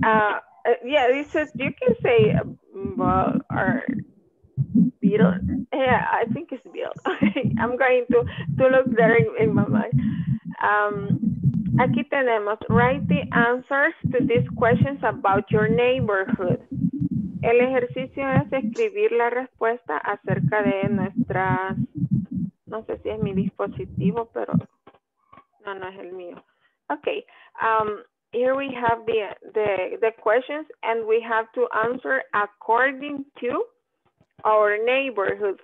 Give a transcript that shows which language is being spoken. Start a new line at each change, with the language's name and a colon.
English: Yeah, it says you can say Bill or Bill. Yeah, I think it's Bill. Okay. I'm going to look there in my mind.
Spanish: Aquí tenemos,
English: write the answers to these questions about your neighborhood.
Spanish: El ejercicio es escribir la respuesta acerca de nuestras, no sé si es mi dispositivo, pero no, no es el mío.
English: Okay, here we have the questions and we have to answer according to our neighborhood.